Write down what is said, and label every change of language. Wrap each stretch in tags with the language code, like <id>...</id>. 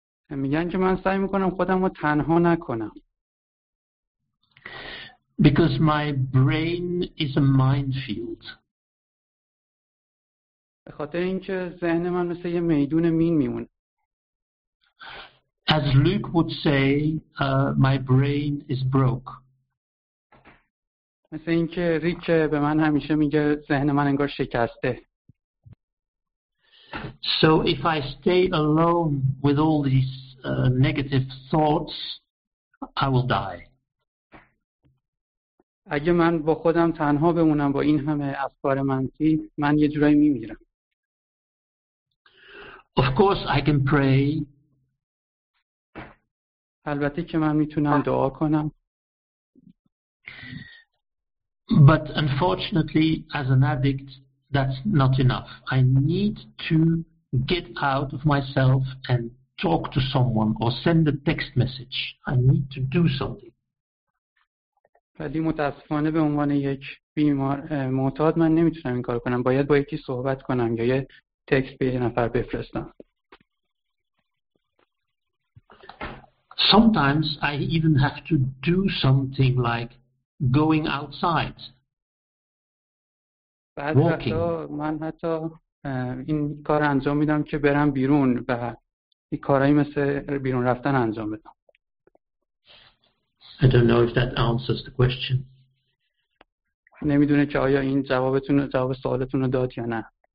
<fa>میگن که من سعی میکنم خودم رو تنها نکنم.</fa> <en>Because my brain is a minefield.</en> <fa>به خاطر اینکه ذهن من مثل یه میدون مین میمونه.</fa> <en>As Luke would say, my brain is broke.</en> <fa>مثل اینکه ریک به من همیشه میگه ذهن من انگار شکسته.</fa> <en>So if I stay alone with all these negative thoughts, I will die.</en> <fa>اگه من با خودم تنها بمونم با این همه افکار منفی، من یه جورایی میمیرم.</fa> <en>Of course I can pray.</en> <fa>البته که من میتونم دعا کنم.</fa> <en>But unfortunately, as an addict, that's not enough. I need to get out of myself and talk to someone or send a text message. I need to do something.</en> <fa>ولی متاسفانه به عنوان یک بیمار معتاد من نمیتونم این کار کنم. باید با یکی صحبت کنم یا یه تکست به یه نفر بفرستم.</fa> <en>Sometimes I even have to do something like going outside.</en> <fa>بعضی وقتا من حتی این کار انجام میدم که برم بیرون و این کارهایی مثل بیرون رفتن انجام بدم.</fa> <en>I don't know if that answers the question.</en> <fa>نمیدونه که آیا این جوابتون جواب سوالتون رو داد یا نه.</fa>